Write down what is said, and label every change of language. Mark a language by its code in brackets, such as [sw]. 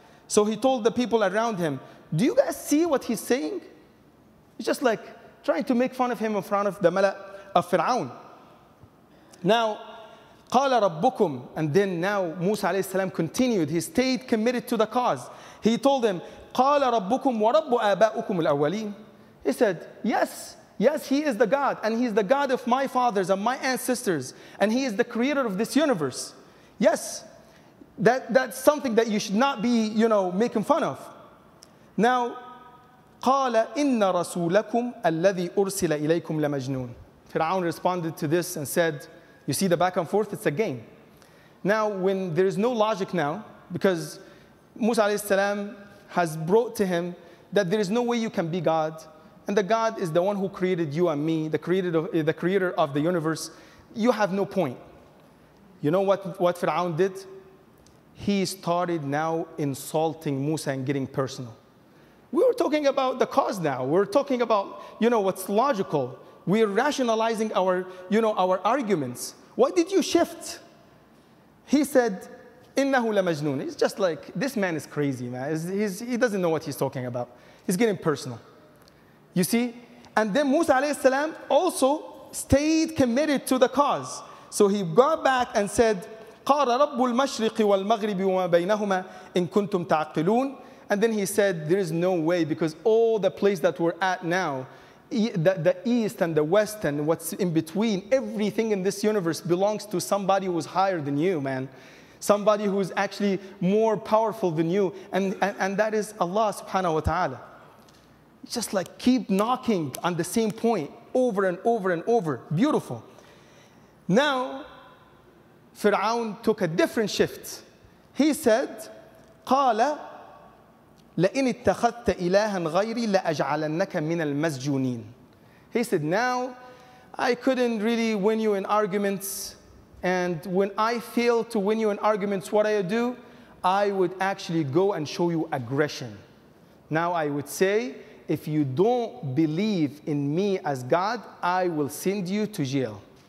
[en] So he told the people around him, do you guys see what he's saying? He's just like trying to make fun of him in front of the mala of Fir'aun. Now, [ar] قال ربكم, [en] and then now Musa عليه السلام continued. He stayed committed to the cause. He told them, [ar] قال ربكم ورب آباؤكم الأولين. [en] He said, yes, yes, he is the God, and he is the God of my fathers and my ancestors, and he is the creator of this universe. Yes, that's something that you should not be, you know, making fun of. Now, [ar] قال إن رسولكم الذي أرسل إليكم لمجنون. [en] Fir'aun responded to this and said, you see the back and forth, it's a game. Now, when there is no logic now, because Musa alayhi salam has brought to him that there is no way you can be God, and the God is the one who created you and me, the creator of the universe, you have no point. You know what Fir'aun did? He started now insulting Musa and getting personal. We were talking about the cause now. We're talking about, you know, what's logical. We're rationalizing our, you know, our arguments. Why did you shift? He said, [ar] إِنَّهُ لَمَجْنُونَ. [en] He's just like, this man is crazy, man. He doesn't know what he's talking about. He's getting personal. You see? And then Musa alayhi salam also stayed committed to the cause. So he got back and said, [ar] قَالَ رَبُّ الْمَشْرِقِ وَالْمَغْرِبِ وَمَا بَيْنَهُمَا إِن كُنْتُمْ تَعْقِلُونَ. [en] And then he said, there is no way, because all the place that we're at now, the east and the west and what's in between, everything in this universe belongs to somebody who's higher than you, man. Somebody who's actually more powerful than you. And that is Allah subhanahu wa ta'ala. Just like keep knocking on the same point over and over and over. Beautiful. Now, Fir'aun took a different shift. He said, [ar] قال لئن اتخذت إلها غيري لأجعلنك من المسجونين. [en] He said, now I couldn't really win you in arguments, and when I fail to win you in arguments, what I do, I would actually go and show you aggression. Now I would say, if you don't believe in me as God, I will send you to jail.